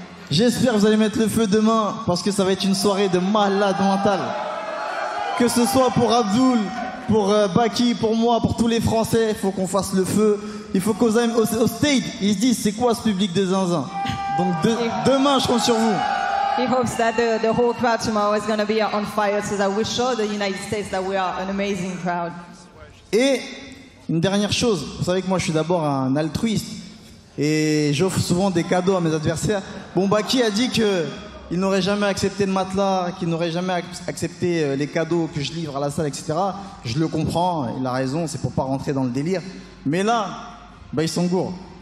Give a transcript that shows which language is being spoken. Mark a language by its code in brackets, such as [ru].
[fr] Et j'espère que vous allez mettre le feu demain, parce que ça va être une soirée de malade mental. Que ce soit pour Abdoul, pour Baki, pour moi, pour tous les Français, il faut qu'on fasse le feu. Il faut qu'aux amis au stade, ils se disent c'est quoi ce public de zinzin. Donc demain, je compte sur vous. [en] He hopes that the whole crowd tomorrow is going to be on fire, so that we show the United States that we are an amazing crowd. [fr] Et une dernière chose, vous savez que moi je suis d'abord un altruiste et j'offre souvent des cadeaux à mes adversaires. Bon, Baki a dit que il n'aurait jamais accepté le matelas, qu'il n'aurait jamais accepté les cadeaux que je livre à la salle, etc. Je le comprends, il a raison, c'est pour pas rentrer dans le délire. Mais là, bah ils sont gourds.